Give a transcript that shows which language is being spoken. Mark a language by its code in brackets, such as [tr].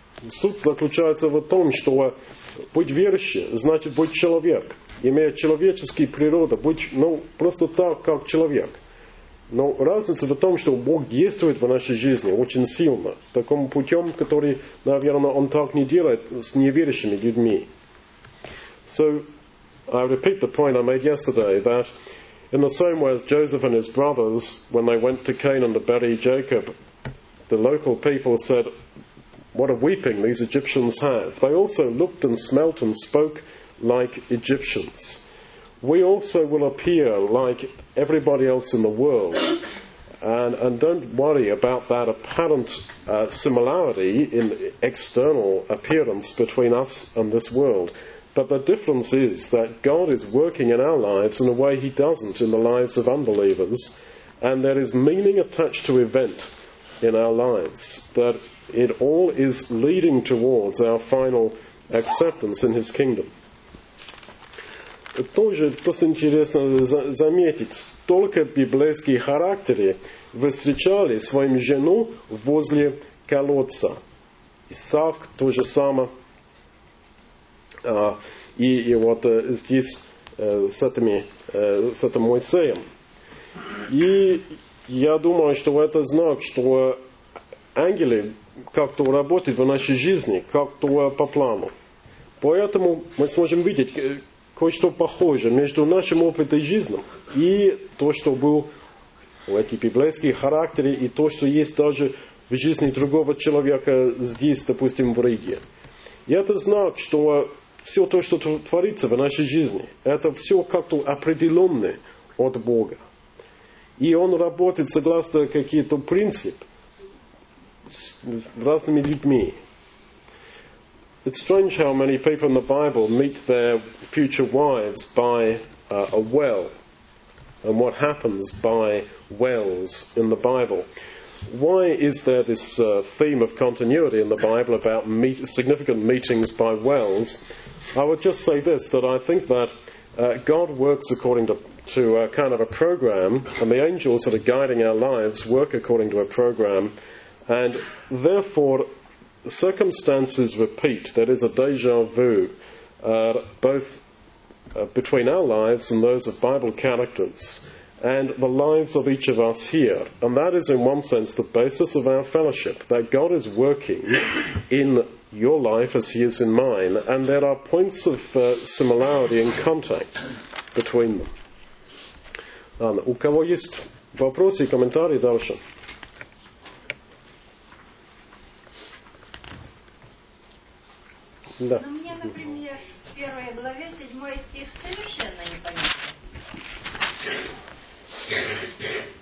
[ru] Суть заключается в том, что быть верующим, значит быть человек. Имея человеческую природу, быть ну, просто так, как человек. Но разница в том, что Бог действует в нашей жизни очень сильно, таким путем, который, наверное, Он так не делает с неверующими людьми. [en] So, I repeat the point I made yesterday, that in the same way as Joseph and his brothers, when they went to Canaan to bury Jacob, the local people said, what a weeping these Egyptians have. They also looked and smelt and spoke like Egyptians. We also will appear like everybody else in the world. And don't worry about that apparent similarity in external appearance between us and this world. But the difference is that God is working in our lives in a way he doesn't in the lives of unbelievers. And there is meaning attached to event in our lives. That it all is leading towards our final acceptance in his kingdom. [ru] Тоже просто интересно заметить, столько библейских характеров встречали своим жену возле колодца. Исаак то же самое. И вот здесь с этим Моисеем. И я думаю, что это знак, что ангелы как-то работают в нашей жизни, как-то по плану. Поэтому мы сможем видеть кое-что похоже между нашим опытом и жизнью и то, что был у этих библейских характеров и то, что есть даже в жизни другого человека здесь, допустим, в Риге. И это знак, что все то, что творится в нашей жизни, это все как-то определенное от Бога. И он работает согласно каким-то принципам с разными людьми. [en] It's strange how many people in the Bible meet their future wives by a well. and what happens by wells in the Bible. Why is there this theme of continuity in the Bible about significant meetings by wells? I would just say this, that I think that God works according to a kind of a program, and the angels that are guiding our lives work according to a program, and therefore circumstances repeat. That is a deja vu, both between our lives and those of Bible characters, and the lives of each of us here. And that is, in one sense, the basis of our fellowship, that God is working in your life as he is in mine, and there are points of similarity and contact between them. [ru] У кого есть вопросы, комментарии дальше? Да. Ну, мне, например, в первой главе 7 стих совершенно непонятно.